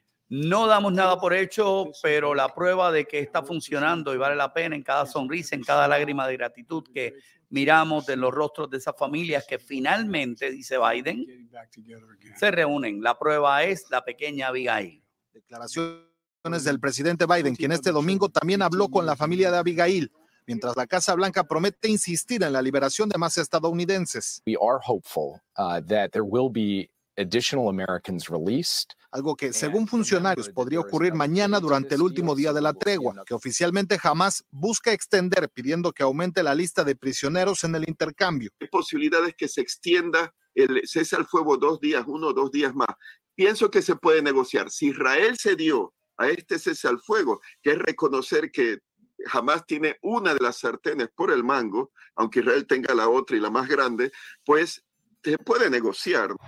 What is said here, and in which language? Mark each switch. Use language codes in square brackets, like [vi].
[es] No damos nada por hecho, pero la prueba de que está funcionando y vale la pena en cada sonrisa, en cada lágrima de gratitud que miramos de los rostros de esas familias que finalmente, dice Biden, se reúnen. La prueba es la pequeña Abigail. Declaraciones del presidente Biden, quien este domingo también habló con la familia de Abigail, mientras la Casa Blanca promete insistir en la liberación de más estadounidenses. [en] We are hopeful that there will be additional Americans released. [es] Algo que, según funcionarios, podría ocurrir mañana durante el último día de la tregua, que oficialmente Hamas busca extender, pidiendo que aumente la lista de prisioneros en el intercambio. Hay posibilidades que se extienda el cese al fuego 2 días, 1 o 2 días más. Pienso que se puede negociar. Si Israel cedió a este cese al fuego, que es reconocer que Hamas tiene una de las sartenes por el mango, aunque Israel tenga la otra y la más grande, pues se puede negociar.